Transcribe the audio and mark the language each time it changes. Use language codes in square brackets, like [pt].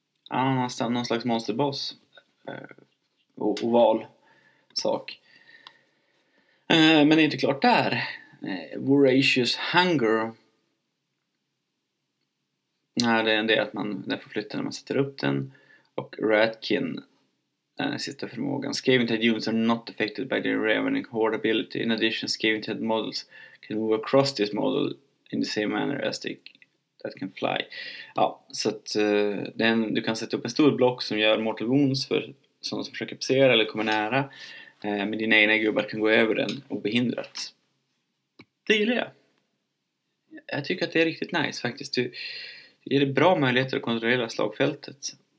[sv] Någonstans, någon slags monsterbas. Oval sak. Men det är inte klart där. Voracious Hunger. Nej, det är en del att man den får flytta när man sätter upp den. Och Ratkin sista förmågan. [en] Scaving Tide units are not affected by the Ravening Horde ability. In addition, Scaving Tide models can move across this model in the same manner as they that can fly. [sv] Ja, så att den, du kan sätta upp en stor block som gör mortal wounds för sådana som försöker passera eller kommer nära. Men dina egna gubbar kan gå över den obehindrat. Det gillar jag. Jag tycker att det är riktigt nice faktiskt. Du ger dig bra möjligheter att kontrollera slagfältet.